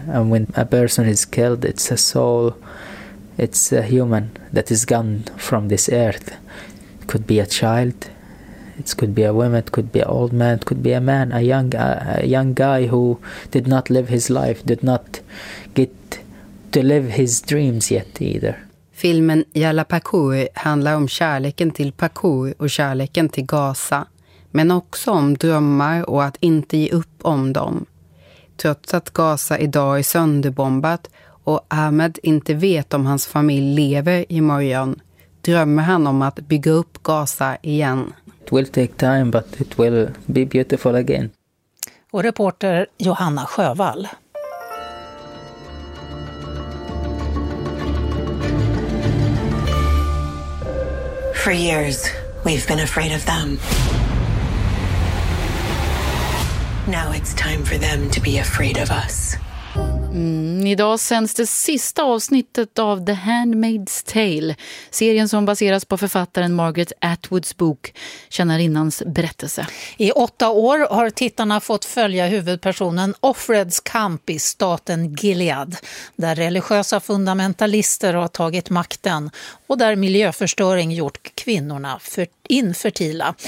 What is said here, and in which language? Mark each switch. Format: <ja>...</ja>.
<en>And when a person is killed, it's a soul, it's a human that is gone from this earth. It could be a child, it could be a woman, it could be an old man, it could be a man, a young guy who did not live his life, did not get to live his dreams yet either.</en> <sv>Filmen Yalla Parkour handlar om kärleken till parkour och kärleken till Gaza. Men också om drömmar och att inte ge upp om dem. Trots att Gaza idag är sönderbombat och Ahmed inte vet om hans familj lever imorgon, drömmer han om att bygga upp Gaza igen.</sv> <en>It will take time, but it will be beautiful again.</en> <sv>Och reporter Johanna Sjövall.</sv> <en>For years, we've been afraid of them. Now it's time for them to be afraid of us.</en> <sv>Idag sänds det sista avsnittet av The Handmaid's Tale, serien som baseras på författaren Margaret Atwoods bok Tjänarinnans berättelse. I 8 år har tittarna fått följa huvudpersonen Offreds kamp i staten Gilead, där religiösa fundamentalister har tagit makten och där miljöförstöring gjort kvinnorna infertila.</sv>